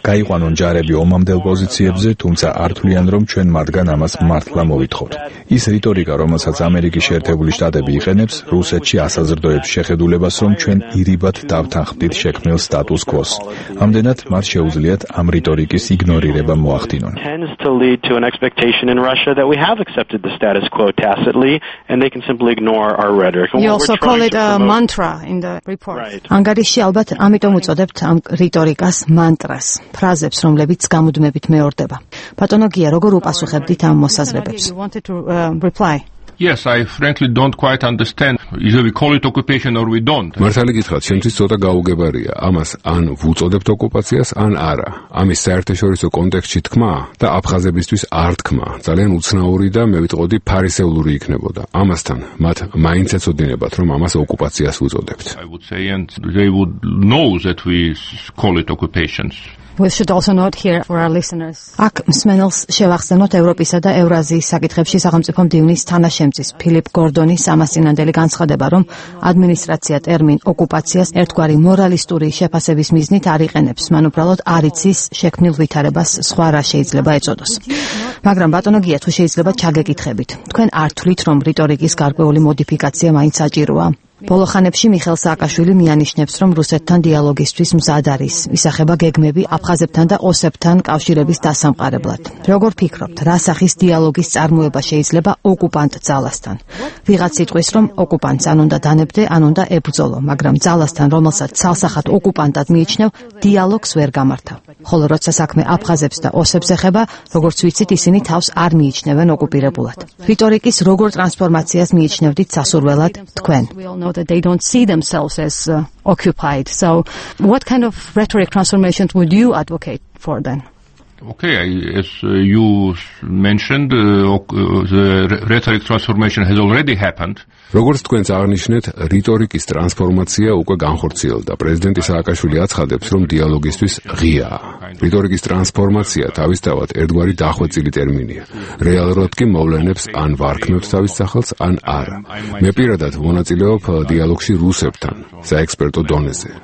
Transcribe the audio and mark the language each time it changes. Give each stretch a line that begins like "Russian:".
Georgian: გაიყვანონ ჯარები ომამდელ პოზიციებზე, თუმცა არ თვლიან, რომ ჩვენ მათგან ამას მართლა მოითხოვთ. ის რიტორიკა, რომელსაც ამერიკის შეერთებული შტატები იყენებს, რუსეთში ასაზრდოებს შეხედულებას, რომ ჩვენ ირიბად დავთანხმდით შექმნილ სტატუს-კვოს. ამდენად, მათ შეუძლიათ ამ რიტორიკის იგნორირება მოახდინონ.
English: To an expectation in Russia that we have accepted the status quo tacitly and they can simply ignore our rhetoric. You also call it a mantra in the report.
Georgian: Ანგარიში ალბათ ამიტომ უწოდებთ ამ რიტორიკას მანტრას, ფრაზებს, რომლებიც გამუდმებით მეორდება. ბატონო გია, როგორ უპასუხებდით ამ მოსაზრებებს?
English: Yes, I frankly don't quite understand. Either we call it occupation or we don't.
Georgian: მართალი გითხრათ, შემთხვევით ცოტა გაუგებარია. ამას ან ვუწოდებთ ოკუპაციას, ან არა. ამის საერთაშორისო კონტექსტში თქმა და აფხაზებისთვის არ თქმა. ძალიან უცნაური და მე ვიტყოდი ფარისეული იქნებოდა. ამასთან მათ მაინც ეცოდინებათ, რომ ამას ოკუპაციას ვუწოდებთ.
English: I would say and they would know that we call it occupations. We should also note here for our listeners.
Georgian: აქ მსმენელს შევახსენოთ ევროპისა და ევრაზიის საკითხებში სახელმწიფო მდივნის თანაშემწის ფილიპ გორდონის ამასწინანდელი განცხადება, რომ ადმინისტრაცია ტერმინ ოკუპაციას ერთგვარი მორალისტური შეფასების მიზნით არ იყენებს, მან უბრალოდ არ იცის შექმნილ ვითარებას სხვა რა შეიძლება ეწოდოს. მაგრამ ბატონო გია, თუ შეიძლება ჩაგეკითხებით, თქვენ არ თვლით, რომ რიტორიკის გარკვეული მოდიფიკაცია მაინც საჭიროა? ბოლოხანებში მიხელ სააკაშვილი მიანიშნებს, რომ რუსეთთან დიალოგისთვის მზად არის, ისახება გეგმები აფხაზებთან და ოსებთან კავშირების დასამყარებლად. როგორ ფიქრობთ, რა სახის დიალოგის წარმოება შეიძლება ოკუპანტ ძალასთან? ვიღაც იტყვის, რომ ოკუპანტს ან უნდა დანებდე, ან უნდა ებრძოლო, მაგრამ ძალასთან, რომელსაც ცალსახად ოკუპანტად მიიჩნევ, დიალოგს ვერ გამართავ. ხოლო როცა საქმე აფხაზებს და ოსებს ეხება, როგორც ვიცით, ისინი თავს არ მიიჩნევენ ოკუპირებულად. რიტორიკის როგორ ტრანსფორმაციას მიიჩნევდით სასურველად თქვენ?
English: Know that they don't see themselves as occupied. So what kind of rhetoric transformations would you advocate for then? Okay, as you mentioned, the rhetoric transformation has already happened.
Georgian: როგორც თქვენც აღნიშნეთ, რიტორიკის ტრანსფორმაცია უკვე განხორციელდა. პრეზიდენტი სააკაშვილი აცხადებს, რომ დიალოგისთვის ღია. რიტორიკის ტრანსფორმაცია თავისთავად ერთგვარი დახვეწილი ტერმინია. რეალურად კი მოვლენებს ან ვარქნევთ თავის სახელს, ან არა. მე პირადად მონაწილეობ დიალოგში რუსებთან, საექსპერტო დონეზე.